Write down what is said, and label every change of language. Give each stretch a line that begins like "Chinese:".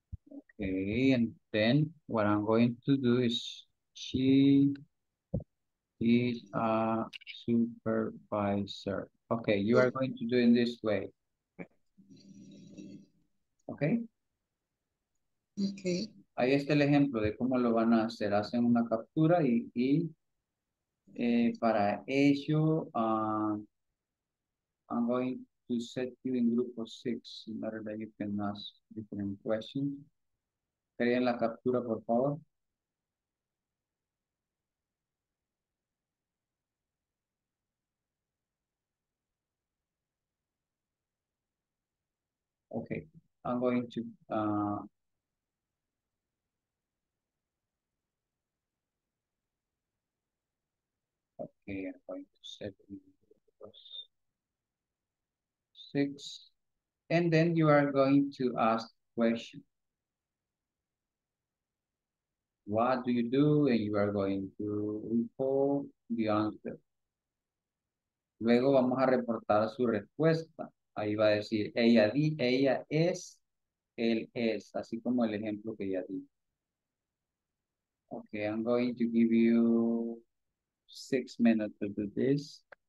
English: Okay, and then what I'm going to do is she is a supervisor. Okay, you are going to do it in this way. Okay? Okay.
Spanish: Ahí está el ejemplo de cómo lo van a hacer. Hacen una captura y para ello,
English: I'm going to set you in group of six in order that you can ask different questions.
Spanish: Creen la captura, por favor.
English: Okay, I'm going to okay, I'm going to set six, and then you are going to ask questions. What do you do? And you are going to report the answer.
Spanish: Luego vamos a reportar su respuesta. Ahí va a decir, ella es, él es, así como el ejemplo que ya di.
English: Okay, I'm going to give you 6 minutes to do this.